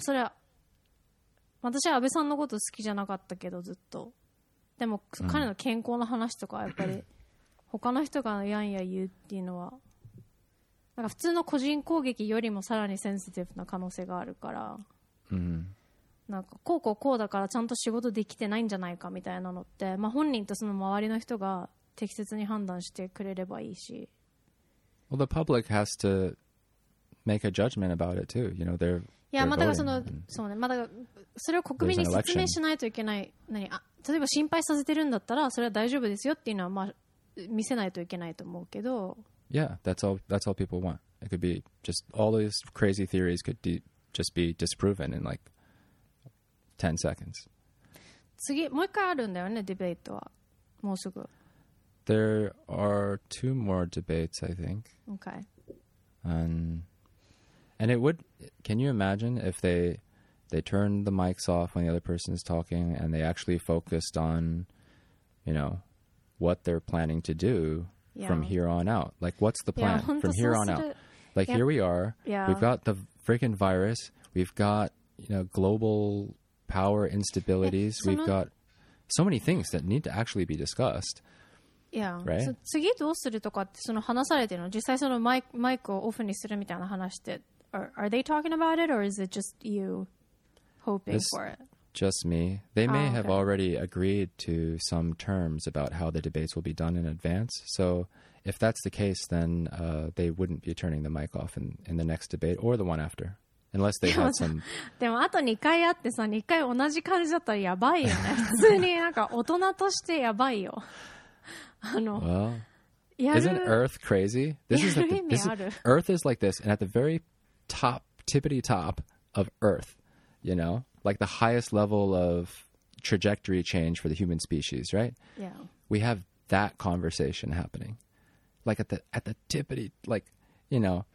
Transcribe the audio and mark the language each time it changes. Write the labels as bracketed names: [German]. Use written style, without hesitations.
[Japanese] それは私は安倍さんのこと好きじゃなかったけどずっと、でも、うん、彼の健康の話とかやっぱり他の人がやんや言うっていうのは。なんか普通の個人攻撃よりもさらにセンシティブな可能性があるから、うん、なんかこうこうこうだからちゃんと仕事できてないんじゃないかみたいなのって、まあ、本人とその周りの人が適切に判断してくれればいいし、 [English] Well, the public has to make a judgment about it too. You know, they're [Japanese] いや、またがその、そうね、またがそれを国民に説明しないといけない。何、あ、例えば心配させてるんだったらそれは大丈夫ですよっていうのはまあ見せないといけないと思うけど、 [English] Yeah, that's all people want. It could be just all those crazy theories could just be disproven in like 10 seconds. [Japanese] 次、もう一回あるんだよね、ディベートは。もうすぐ。 [English] There are two more debates, I think. Okay. And it would, can you imagine if they turned the mics off when the other person is talking and they actually focused on, you know, what they're planning to do? Yeah. From here on out, like, what's the plan? Yeah, from here on out, like, yeah. Here we are. Yeah. We've got the freaking virus. We've got, you know, global power instabilities. Yeah. We've got so many things that need to actually be discussed. Yeah. Right. [Japanese] So, 次どうするとかってその話されてるの？実際そのマイクをオフにするみたいな話って、 [English] are they talking about it or is it just you hoping for it? Just me. They may have already agreed to some terms about how the debates will be done in advance. So if that's the case, then they wouldn't be turning the mic off in the next debate or the one after. Unless they had some... [Japanese] でもあと2回あってさ、2回同じ感じだったらやばいよね。普通になんか大人としてやばいよ。あの、 [English] well, isn't Earth crazy? This is like Earth is like this, and at the very top, tippity top of Earth, you know? Like the highest level of trajectory change for the human species, right? Yeah. We have that conversation happening. Like at the tippity, like, you know,